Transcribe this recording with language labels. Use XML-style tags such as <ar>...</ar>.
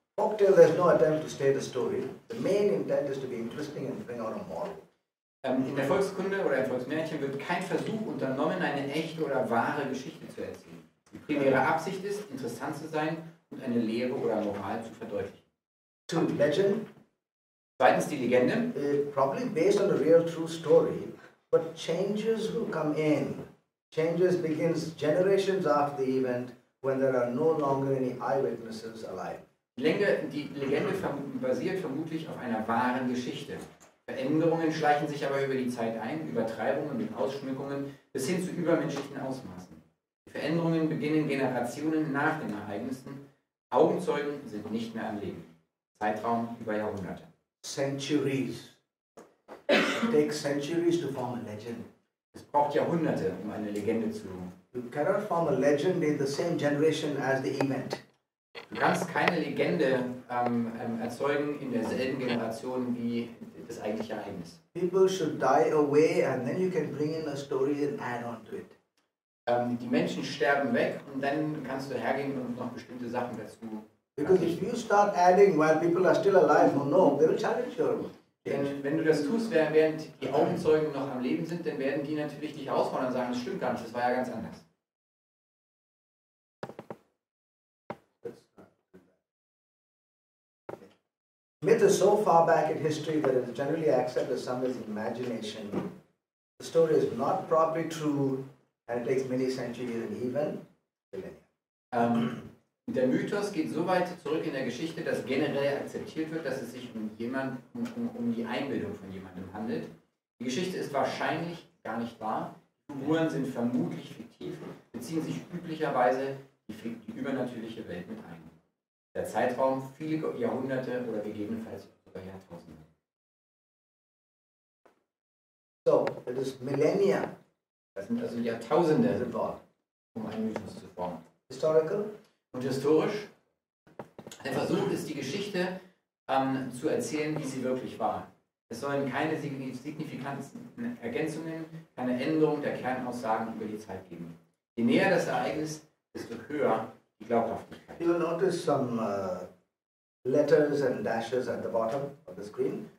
<en>Folktale, there's no attempt to state the story. The main intent is to be interesting and bring out a moral.</en> <de>In der Volkskunde oder im Volksmärchen wird kein Versuch unternommen, eine echte oder wahre Geschichte zu erzählen. Die primäre Absicht ist, interessant zu sein und eine Lehre oder Moral zu verdeutlichen.</de> <en>To legend.</en> <de>Zweitens die Legende.</de> <en>Probably based on a real true story, but changes will come in. Changes begins generations after the event, when there are no longer any eyewitnesses alive.</en> <de>Die Legende basiert vermutlich auf einer wahren Geschichte. Veränderungen schleichen sich aber über die Zeit ein, Übertreibungen und Ausschmückungen bis hin zu übermenschlichen Ausmaßen. Die Veränderungen beginnen Generationen nach den Ereignissen. Augenzeugen sind nicht mehr am Leben. Zeitraum über Jahrhunderte.</de> <en>Centuries. It takes centuries to form a legend.</en> <de>Es braucht Jahrhunderte, um eine Legende zu formen.</de> <en>You cannot form a legend in the same generation as the event.</en> <de>Du kannst keine Legende erzeugen in derselben Generation wie das eigentliche Ereignis.</de> <en>People should die away and then you can bring in a story and add on to it.</en> <de>Die Menschen sterben weg und dann kannst du hergehen und noch bestimmte Sachen dazu.</de> <en>Because if you start adding while people are still alive, oh no, they will challenge you.</en> <de>Wenn du das tust, während die Augenzeugen noch am Leben sind, dann werden die natürlich dich herausfordern und sagen, das stimmt gar nicht, das war ja ganz anders.</de> <en>Myth is so far back in history that it is generally accepted as somebody's imagination. The story is not properly true and it takes many centuries and even millennia.</en> <de>Der Mythos geht so weit zurück in der Geschichte, dass generell akzeptiert wird, dass es sich um die Einbildung von jemandem handelt. Die Geschichte ist wahrscheinlich gar nicht wahr. Figuren sind vermutlich fiktiv, beziehen sich üblicherweise die übernatürliche Welt mit ein. Der Zeitraum viele Jahrhunderte oder gegebenenfalls sogar Jahrtausende.</de> <en>So, it is millennia.</en> <de>Das sind also Jahrtausende</de> <en>involved,</en> <de>um einen Mythos zu formen.</de> <en>Historical.</en> <de>Und historisch. Ein Versuch ist, die Geschichte zu erzählen, wie sie wirklich war. Es sollen keine signifikanten Ergänzungen, keine Änderung der Kernaussagen über die Zeit geben. Je näher das Ereignis, desto höher.</de> <en>You will notice some letters and dashes at the bottom of the screen.</en>